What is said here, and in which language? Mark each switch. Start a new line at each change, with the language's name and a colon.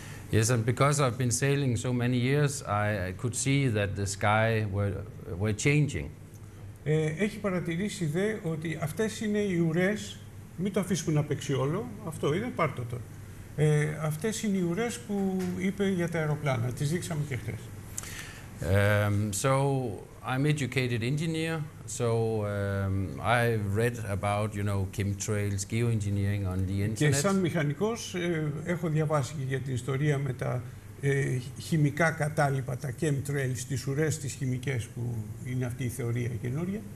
English: Yes, and because I've been sailing so many years, I could see that the sky were changing.
Greek: Έχει παρατηρήσει δε ότι αυτές είναι οι ουρές. Μην το αφήσουμε να παίξει όλο. Αυτό είναι, πάρτο το. Αυτές είναι οι ουρές που είπε για τα αεροπλάνα. Τις δείξαμε και χτες.
English: So, I'm educated engineer, so I've read about, you know, chemtrails, geoengineering on the internet.
Greek: Και σαν μηχανικός έχω διαβάσει για την ιστορία με τα χημικά κατάλοιπα, τα chemtrails, τις ουρές, τις χημικές που είναι αυτή η θεωρία καινούρια.